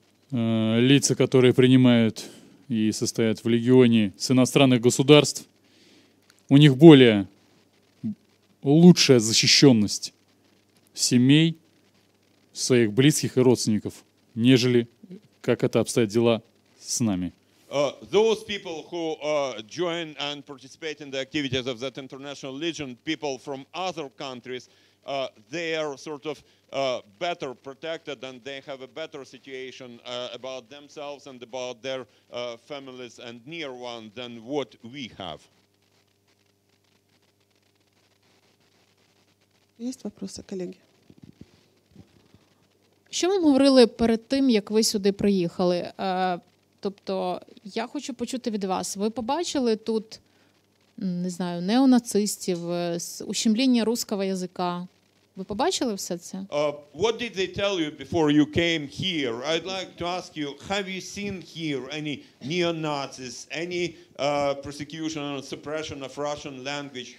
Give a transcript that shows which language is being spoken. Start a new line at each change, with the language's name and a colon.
Russian: Лица, которые принимают и состоят в легионе с иностранных государств, у них более лучшая защищенность семей, своих близких и родственников, нежели как это обстоят дела с нами.
English: Those people who join and participate in the activities of that International Legion, people from other countries, they are sort of better protected and they have a better situation about themselves and about their families and near ones than what we have.
Russian: Есть вопросы, коллеги?
Ukrainian: Що ви говорили перед тим, як ви сюди приїхали? Тобто, я хочу почути від вас. Ви побачили тут, не знаю, неонацистів, ущемління російського язика? Ви побачили все це?
English: What did they tell you before you came here? I'd like to ask you, have you seen here any neo-Nazis, any persecution and suppression of Russian language?